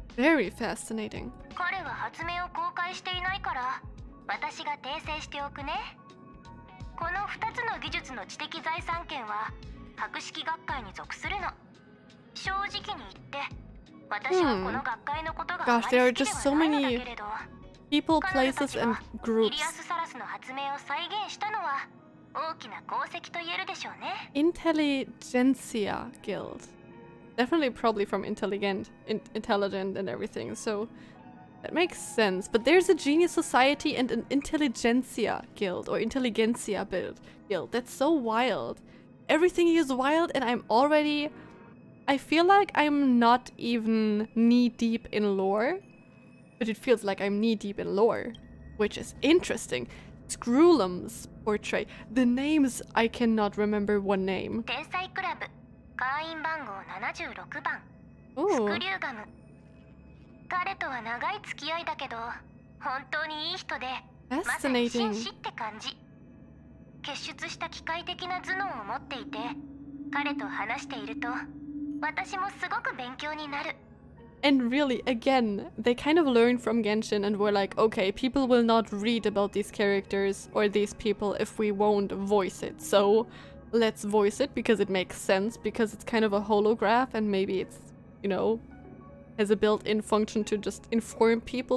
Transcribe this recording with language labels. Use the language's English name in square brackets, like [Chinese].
[English] Very fascinating. [Japanese] 彼は発明を公開していないから、私が訂正しておくね。この2つの技術の知的財産権は博識学会に属するの。正直に言って、私はこの学会のことが [English] Gosh, there are just so many people, places, and groups. [Japanese] イリアス・サラスの発明を再現したのは大きな功績と言えるでしょうね。 [English] Intelligentsia Guild. Definitely probably from intelligent and everything, so that makes sense. But there's a genius society and an intelligentsia guild, or intelligentsia guild. That's so wild. Everything is wild and I'm already... I feel like I'm not even knee-deep in lore, but it feels like I'm knee-deep in lore, which is interesting. Skrullum's portray. The names, I cannot remember one name. [Japanese] 天才クラブ、会員番号76番、スクリューガム。彼とは長い付き合いだけど、本当にいい人で、まさに紳士って感じ。結出した機械的な頭脳を持っていて、彼と話していると、私もすごく勉強になる。 [English] And really, again, they kind of learned from Genshin and were like, okay, people will not read about these characters or these people if we won't voice it. So let's voice it because it makes sense, because it's kind of a holograph and maybe it's, you know, has a built-in function to just inform people.